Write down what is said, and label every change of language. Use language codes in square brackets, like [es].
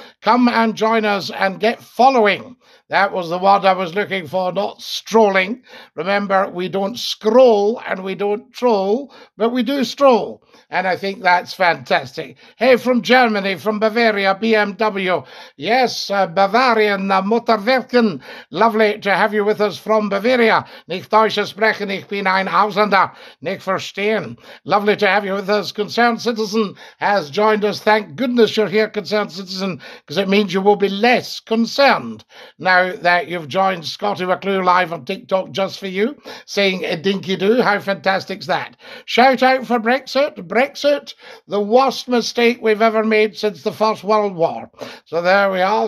[en] Come and join us and get following. That was the word I was looking for, not strolling. Remember, we don't scroll and we don't troll, but we do stroll. And I think that's fantastic. Hey, from Germany, from Bavaria, BMW. Yes, Bavarian, Motorwerken. Lovely to have you with us from Bavaria. [de] Nicht Deutsch sprechen, ich bin ein Ausländer. Nicht verstehen. [en] Lovely to have you with us. Concerned Citizen has joined us. Thank goodness you're here, Concerned Citizen, because it means you will be less concerned now that you've joined Scotty McClue live on TikTok just for you, saying a dinky-doo. How fantastic's that? Shout out for Brexit. Brexit, the worst mistake we've ever made since the First World War. So there we are.